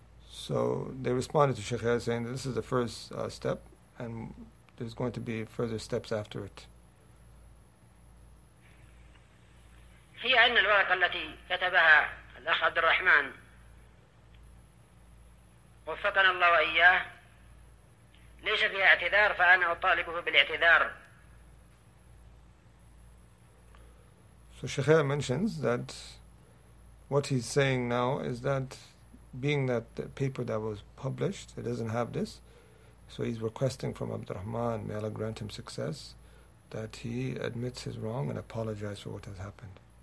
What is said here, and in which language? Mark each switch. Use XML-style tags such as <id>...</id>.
<en>So they responded to Sheikh saying that this is the first step and there's going to be further steps after it.</en> <ar>هي أن الورقة التي كتبها الأخ عبد الرحمن وفقنا الله وإياه ليس فيها اعتذار، فأنا أطالبه بالاعتذار.</ar> <en>So Sheikh mentions that what he's saying now is that being that the paper that was published, it doesn't have this, so he's requesting from Abdul Rahman, may Allah grant him success, that he admits his wrong and apologizes for what has happened.</en>